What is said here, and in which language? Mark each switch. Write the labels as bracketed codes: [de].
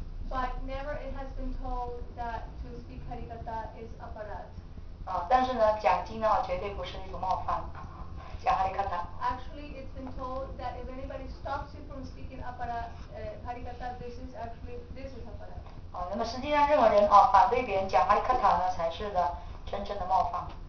[en] But never it has been told that to speak Harikatha is aparat. [zh] 但是呢，讲经呢，绝对不是一种冒犯。讲Harikatha。 [en] Actually, it's been told that if anybody stops you from speaking Harikatha, this is aparat. [zh] 那么实际上任何人反对别人讲哈利卡塔呢才是的真正的冒犯。